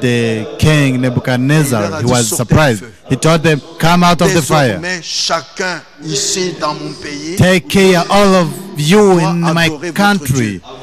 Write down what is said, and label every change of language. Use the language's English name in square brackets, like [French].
[English] The king Nebuchadnezzar, he was surprised. He told them, come out [French] désormais, [English] of the fire. [French] Chacun ici dans mon pays, [English] take care all of you in my country.